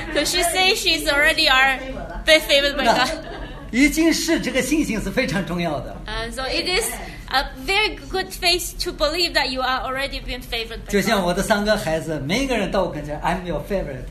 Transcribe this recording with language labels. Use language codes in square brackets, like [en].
[en] So she says she's already are been favored by God. [zh] 已经是这个信心是非常重要的。 [en] So it is a very good faith to believe that you are already been favored by God. [zh] 就像我的三个孩子，每一个人到我跟前 ， [en] I'm your favorite.